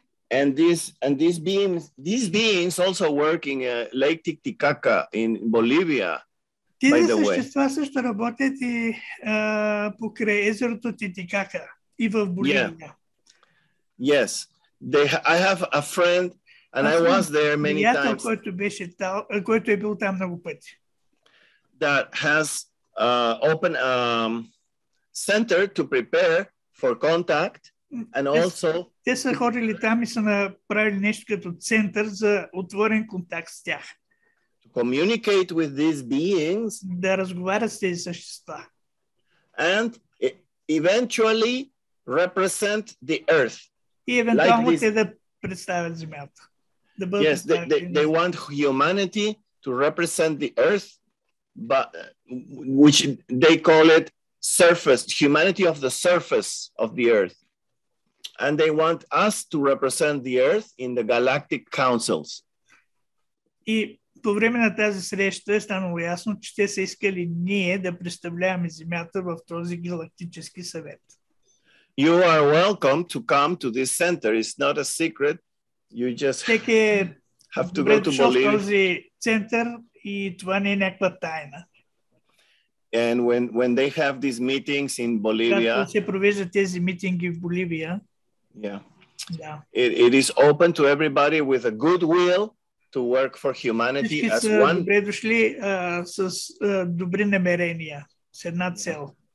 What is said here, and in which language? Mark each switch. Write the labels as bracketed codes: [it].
[en] And these beings also work in Lake Titicaca in Bolivia. [bg] Тези същества също работят и покрай езерото Титикака и в Боливия. [en] Yes, I have a friend, and I was there many times. [bg] Който беше там, който е бил там много пъти. [en] That has open center to prepare for contact. And also, [bg] те са ходили там и са направили нещо като център за отворен контакт с тях. [en] To communicate with these beings. [bg] Да разговарят с тези същества. [en] And eventually represent the earth. [bg] И евентуално те да представят земята. Да бъдат [en] they want humanity to represent the earth, but which they call it surface, humanity of the surface of the earth. And they want us to represent the Earth in the Galactic Councils. [bg] И по време на тази среща е станало ясно, че те са искали ние да представляваме Земята в този галактически съвет. [en] You are welcome to come to this center. It's not a secret. You just have to go to Bolivia. [bg] Добре дошъл в този център и това не е някаква тайна. [en] And when they have these meetings in Bolivia... [bg] Както се провеждат тези митинги в Боливия... [en] Yeah. It is open to everybody with a good will to work for humanity as one. [bg] Добре дошли с добри намерения, с една цел.